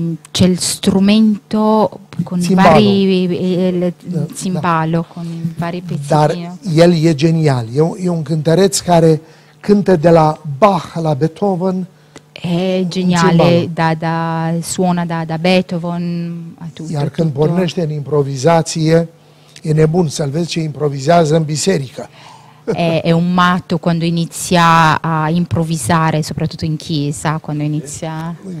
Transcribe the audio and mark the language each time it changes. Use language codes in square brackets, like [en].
[it] c'è il strumento con vari il cimbalo con vari pezzettini. [ro] Dar el e genial. E un cântăreț care cântă de la Bach la Beethoven. [it] È geniale, da suona da Beethoven a tutto. [ro] Iar când pornește în improvizație, e nebun să-l vezi ce improvizează în biserică. [it] È un matto quando inizia a improvvisare, soprattutto in chiesa, quando inizia...